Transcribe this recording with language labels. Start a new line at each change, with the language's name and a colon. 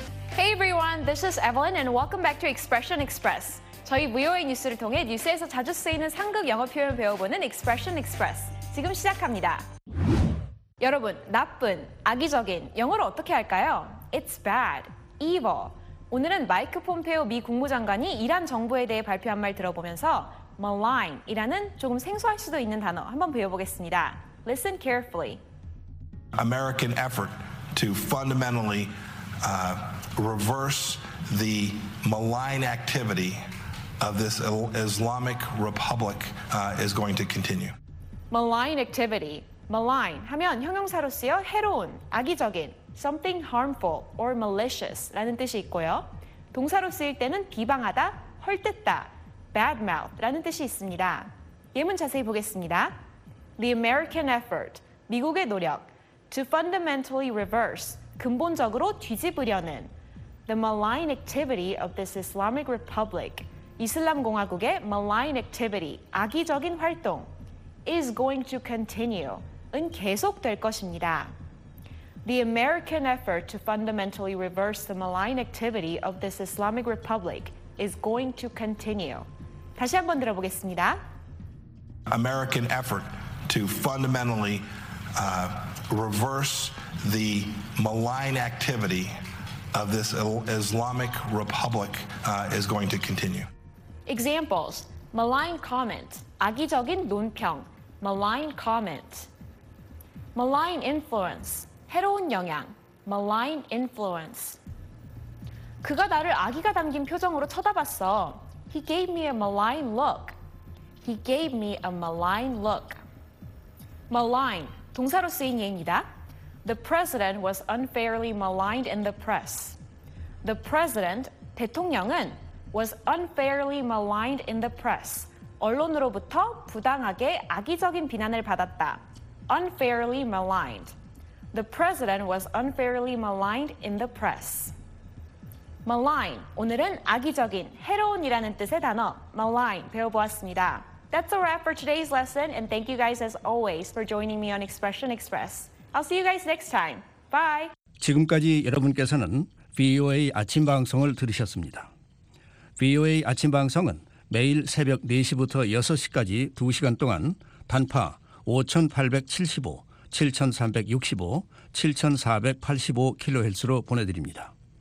English: Hey everyone, this is Evelyn and welcome back to Expression Express.
Korean: 저희 VOA 뉴스를 통해 뉴스에서 자주 쓰이는 상급 영어 표현 배워보는 Expression Express. 지금 시작합니다. 여러분, 나쁜, 악의적인, 영어로 어떻게 할까요?
English: It's bad, evil.
Korean: 오늘은 마이크 폼페오 미 국무장관이 이란 정부에 대해 발표한 말 들어보면서 malign이라는 조금 생소할 수도 있는 단어 한번 배워보겠습니다.
English: Listen carefully. American effort to fundamentally reverse the malign activity of this Islamic Republic is going to continue. Malign activity.
Korean: Malign 하면 형용사로 쓰여 해로운, 악의적인,
English: something harmful or malicious
Korean: 라는 뜻이 있고요. 동사로 쓰일 때는 비방하다, 헐뜯다, bad mouth 라는 뜻이 있습니다. 예문 자세히 보겠습니다.
English: The American effort,
Korean: 미국의 노력,
English: to fundamentally reverse,
Korean: 근본적으로 뒤집으려는,
English: the malign activity of this Islamic Republic,
Korean: 이슬람 공화국의
English: malign activity,
Korean: 악의적인 활동,
English: is going to continue,
Korean: 은 계속될 것입니다.
English: The American effort to fundamentally reverse the malign activity of this Islamic Republic is going to continue.
Korean: 다시 한번 들어보겠습니다.
English: American effort to fundamentally reverse the malign activity of this Islamic Republic is going to continue. Examples, malign comment,
Korean: 악의적인 논평,
English: malign comment, malign influence,
Korean: 해로운 영향,
English: malign influence.
Korean: 그가 나를 악의가 담긴 표정으로 쳐다봤어.
English: He gave me a malign look. He gave me a malign look.
Korean: Malign, 동사로 쓰인 예입니다.
English: The president was unfairly maligned in the press. The president, 대통령은 was unfairly maligned in the press.
Korean: 언론으로부터 부당하게 악의적인 비난을 받았다.
English: Unfairly maligned. The president was unfairly maligned in the press. Malign.
Korean: 오늘은 악의적인, 해로운이라는 뜻의 단어 malign 배워보았습니다.
English: That's a wrap for today's lesson and thank you guys as always for joining me on Expression Express. I'll see you guys next time. Bye.
Korean: 지금까지 여러분께서는 VOA 아침 방송을 들으셨습니다. VOA 아침 방송은 매일 새벽 4시부터 6시까지 2시간 동안 단파 5,875, 7,365, 7,485kHz로 보내드립니다.